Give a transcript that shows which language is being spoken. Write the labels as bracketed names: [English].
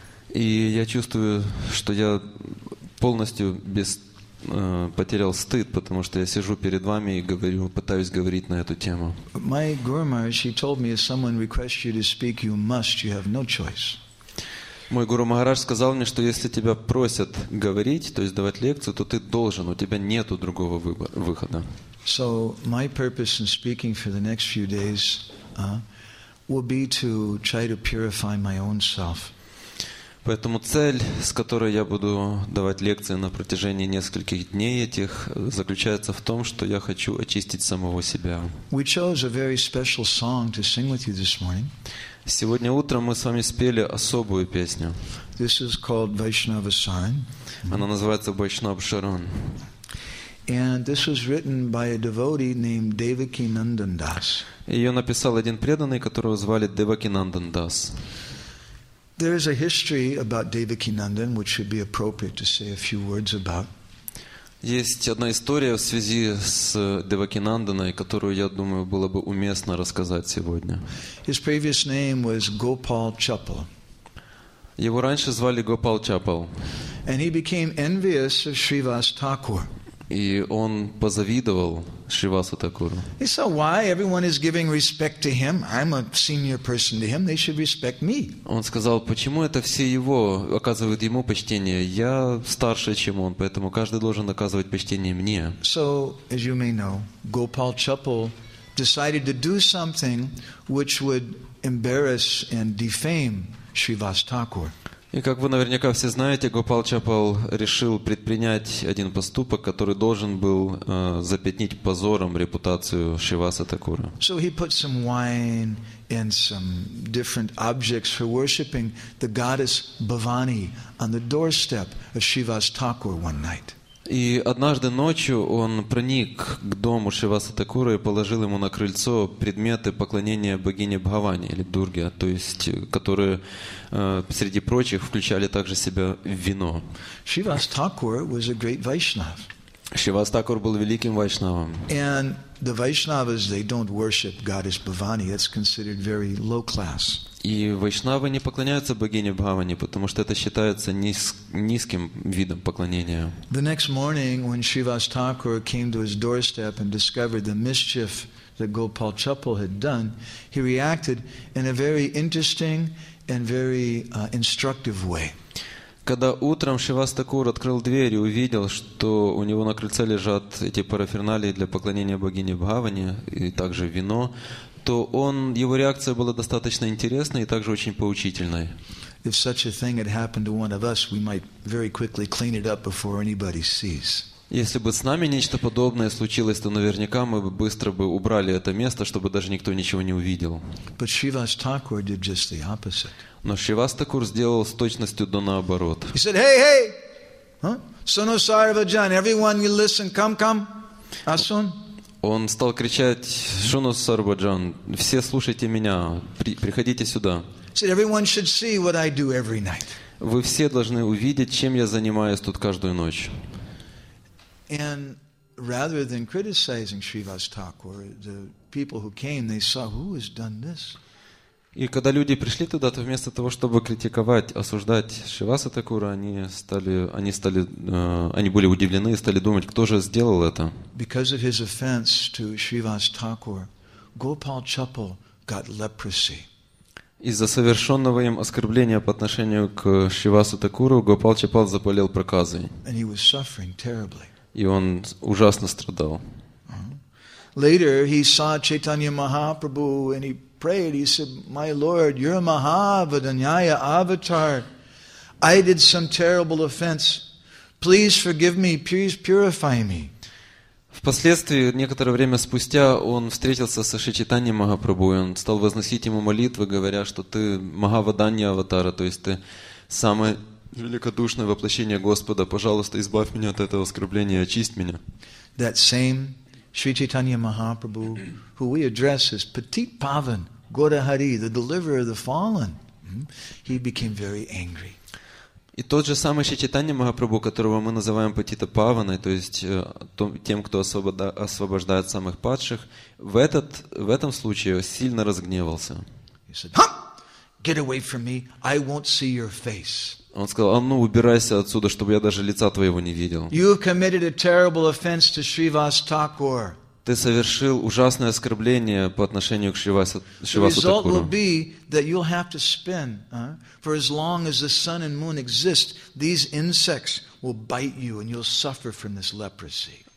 [Russian] И я чувствую, что я полностью потерял стыд, потому что я сижу перед вами и говорю, пытаюсь говорить на эту тему. [English] My Guru Maharaj, he told me, if someone requests you to speak, you must, you have no choice. [Russian] Мой Гуру Махарадж сказал мне, что если тебя просят говорить, то есть давать лекцию, то ты должен, у тебя нету другого выхода. [English] So my purpose in speaking for the next few days will be to try to purify my own self. [Russian] Поэтому цель, с которой я буду давать лекции на протяжении нескольких дней этих, заключается в том, что я хочу очистить самого себя. [English] We chose a very special song to sing with you this morning. [Russian] Сегодня утром мы с вами спели особую песню. [English] This is called Vaishnava Saran. [Russian] Она называется Vaishnava Saran. [English] And this was written by a devotee named Devaki Nandan Das. [Russian] Ее написал один преданный, которого звали Деваки Нандан Дас. [English] There is a history about Devaki Nandan which should be appropriate to say a few words about. [Russian] Есть одна история в связи с Деваки Нанданой, которую, я думаю, было бы уместно рассказать сегодня. [English] His previous name was Gopal Chappal. [Russian] Его раньше звали Гопал Чапал. [English] And he became envious of Srivas Thakur. [Russian] И он позавидовал Шривасу Такуру. [English] He said, "Why everyone is giving respect to him? I'm a senior person to him. They should respect me." [Russian] Он сказал, почему это все его оказывают ему почтение? Я старше, чем он, поэтому каждый должен оказывать почтение мне. [English] So, as you may know, Gopal Chappal decided to do something which would embarrass and defame Shrivas Thakur. [Russian] И как вы наверняка все знаете, Гопал Чапал решил предпринять один поступок, который должен был запятнить позором репутацию Шиваса Такура. [English] So he put some wine and some different objects for worshiping the goddess Bhavani on the doorstep of Shivas Thakur one night. [Russian] И однажды ночью он проник к дому Шиваса Такура и положил ему на крыльцо предметы поклонения богине Бхавани или Дурге, то есть которые среди прочих включали также себя вино. [English] Shivas Thakur was a great Vaishnav. [Russian] Shivas Thakur был великим вайшнавом. [English] And the Vaishnavas, they don't worship goddess Bhavani. That's considered very low class. [Russian] И вайшнавы не поклоняются богине Бхавани, потому что это считается низким видом поклонения. [English] The next morning, when Shivas Thakur came to his doorstep and discovered the mischief that Gopal Chappal had done, he reacted in a very interesting and very instructive way. [Russian] Когда утром Шивас Такур открыл дверь и увидел, что у него на крыльце лежат эти параферналии для поклонения богине Бхавани и также вино, то его реакция была достаточно интересной и также очень поучительной. [English] If such a thing had happened to one of us, we might very quickly clean it up before anybody sees. [Russian] Если бы с нами нечто подобное случилось, то наверняка мы бы быстро бы убрали это место, чтобы даже никто ничего не увидел. [English] But Shivas Thakur did just the opposite. [Russian] Но Шивас Такур сделал с точностью до наоборот. [English] He said, "Hey, hey, [Bangla] Suno Sarva Jan, [English] everyone, you listen, come, come, [Bangla] Asun." [Russian] Он стал кричать: [Bangla] "Suno Sarva Jan, [Russian] все слушайте меня, приходите сюда." [English] He said, "Everyone should see what I do every night." [Russian] Вы все должны увидеть, чем я занимаюсь тут каждую ночь. [English] And rather than criticizing Shivas Thakur, the people who came, they saw who has done this. [Russian] И когда люди пришли туда, то вместо того, чтобы критиковать, осуждать Шиваса Такура, они были удивлены и стали думать, кто же сделал это. [English] Because of his offense to Shrivas Thakur, Gopal Chappal got leprosy. [Russian] Из-за совершенного им оскорбления по отношению к Шивасу Такуру, Гопал Чапал заболел проказой. [English] And he was suffering terribly. [Russian] И он ужасно страдал. [English] Later he saw Chaitanya Mahaprabhu and he prayed. He said, "My Lord, you're a Mahavadanyaya avatar. I did some terrible offense. Please forgive me. Please purify me." [Russian] Впоследствии, некоторое время спустя, он встретился со Шри Чайтаньей Махапрабху, и он стал возносить ему молитвы, говоря, что ты Махавадания аватара, то есть ты самое великодушное воплощение Господа. Пожалуйста, избавь меня от этого оскорбления и очисть меня. [English] That same Sri Chaitanya Mahaprabhu, who we address as Petit Pavan Godahari, the deliverer of the fallen, he became very angry. [Russian] И тот же самый Шри Чайтанья Махапрабху, которого мы называем Патита Паваной, то есть тем, кто освобождает самых падших, в этом случае сильно разгневался. [English] He said, "Ha! Get away from me! I won't see your face." [Russian] Он сказал: "А ну, убирайся отсюда, чтобы я даже лица твоего не видел." [English] You've committed a terrible offense to Shrivas Thakur. [Russian] Ты совершил ужасное оскорбление по отношению к Шривасу [English] Такуру. The result will be that you'll have to spin, for as long as the sun and moon exist, these insects will bite you and you'll suffer from this leprosy.